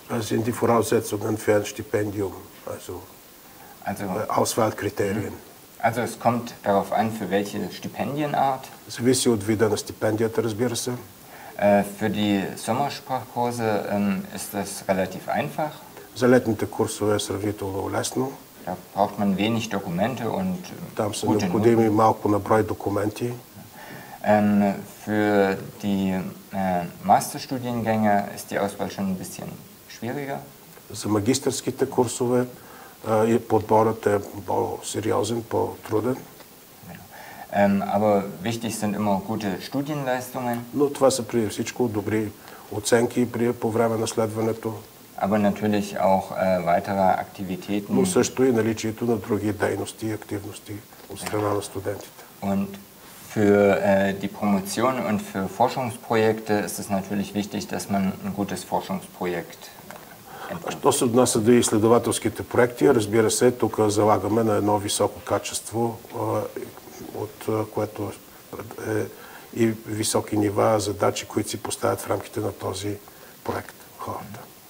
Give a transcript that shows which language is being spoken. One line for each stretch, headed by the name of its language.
German: Sind die Voraussetzungen für ein Stipendium, also Auswahlkriterien? Also es kommt darauf an, für welche Stipendienart? So wie sie und wie dann Stipendien,
Bulgarian: разбира се.
German: Für die Sommersprachkurse ist das relativ einfach.
Bulgarian: За летните курсове е сравнително лесно.
German: Da braucht man wenig Dokumente und
Bulgarian: там са необходими малко на брой документи.
German: Für die Masterstudiengänge ist die Auswahl schon ein bisschen.
Bulgarian: За магистърските курсове и подборът е по-сериозен, по-труден.
German: Aber wichtig sind immer gute Studienleistungen.
Bulgarian: Но това са преди всичко добри оценки по време на следването.
German: Aber natürlich auch weitere Aktivitäten.
Bulgarian: Но също и наличието на други дейности и активности от страна на студентите.
German: Und für die Promotion und für Forschungsprojekte ist es natürlich wichtig, dass man ein gutes Forschungsprojekt.
Bulgarian: Що се отнася до изследователските проекти, разбира се, тук залагаме на едно високо качество, от което е и високи нива задачи, които си поставят в рамките на този проект хората.